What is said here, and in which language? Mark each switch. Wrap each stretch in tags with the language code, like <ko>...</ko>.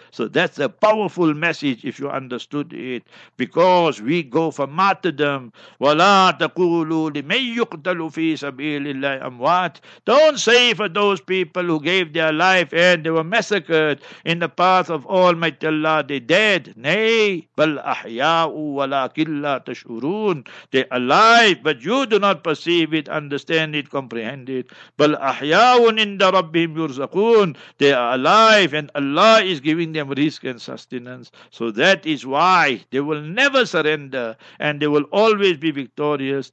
<en>So that's a powerful message if you understood it. Because we go for martyrdom.</en> <ar>وَلَا تَقُولُوا لِمَنْ يُقْتَلُ فِي سَبِيلِ اللَّهِ أَمْوَاتِ.</ar> <en>Don't say for those people who gave their life and they were massacred in the path of Almighty Allah, they're dead. Nay,</en> <ar>بَلْ أَحْيَاءُ وَلَكِنْ لَا تَشْعُرُونَ.</ar> <en>They're alive, but you do not perceive it, understand it, comprehend it.</en> <ar>بَلْ أَحْيَاءٌ عِنْدَ رَبِّهِمْ يُرْزَقُونَ.</ar> <en>They are alive and Allah is giving them risk and sustenance. So that is why they will never surrender and they will always be victorious.</en>